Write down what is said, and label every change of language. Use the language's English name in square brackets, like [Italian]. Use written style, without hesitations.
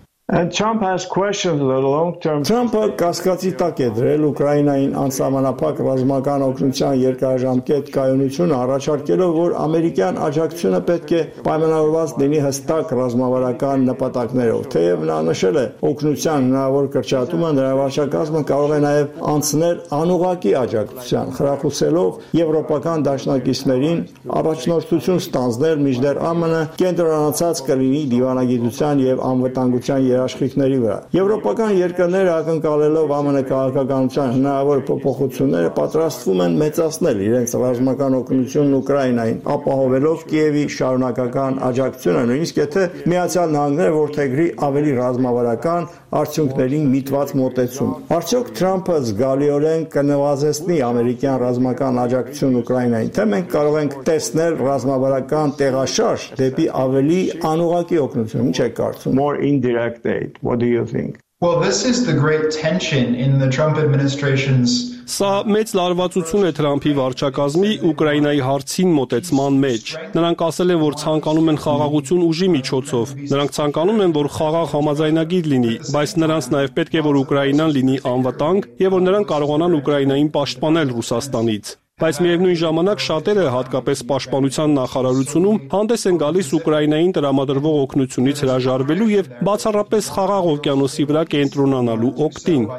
[English] And Trump has questioned the long-term [Armenian] Trump-ը կասկածի տակ է դրել Ուկրաինային անսահմանափակ ռազմական օգնության երկարաժամկետ կայունությունը, առաջարկելով, որ ամերիկյան աջակցությունը պետք է պայմանավորված լինի հստակ ռազմավարական նպատակներով, թեև նա նշել է օգնության հնարավոր կրճատումը, նրա վարչակազմը կարող է նաև անցնել անուղակի աջակցության, խրախուսելով եվրոպական դաշնակիցներին առաջնորդություն ստանձնել, մինչդեռ ԱՄՆ-ը կենտրոնացած կլինի դիվանագիտության և անվտանգության երաշխիքների վրա։ Եվրոպական երկրները, ակնկալելով ԱՄՆ քաղաքականության հնարավոր փոփոխությունները, պատրաստվում են մեծացնել իրենց ռազմական օգնությունն Ուկրաինային, ապահովելով Կիևի շարունակական աջակցությունը, նույնիսկ եթե Միացյալ Նահանգները որդեգրի ավելի ռազմավարական արդյունքներին միտված մոտեցում։ Արդյոք Թրամփը զգալիորեն կնվազեցնի ամերիկյան ռազմական աջակցություն Ուկրաինային, թե մենք կարող ենք տեսնել ռազմավարական տեղաշարժ դեպի ավելի անուղակի օգնություն, ինչ եք կարծում։ [English] Direct aid. What do you think? Well, this is the great tension in the Trump administration's [Armenian] Սա մեծ լարվածություն է Թրամփի վարչակազմի Ուկրաինայի հարցին մոտեցման մեջ։ Նրանք ասել են, որ ցանկանում են խաղաղություն ուժի միջոցով։ Նրանք ցանկանում են, որ խաղաղ համաձայնագիր լինի, բայց նրանց նաև պետք է, որ Ուկրաինան լինի անվտանգ և որ նրանք կարողանան Ուկրաինային պաշտպանել Ռուսաստանից։ Բայց միևնույն ժամանակ շատերը, հատկապես պաշտպանության նախարարությունում, հանդես են գալիս Ուկրաինային տրամադրվող օգնությունից հրաժարվելու և բացառապես խաղաղ օվկիանոսի վրա կենտրոնանալու օգտին։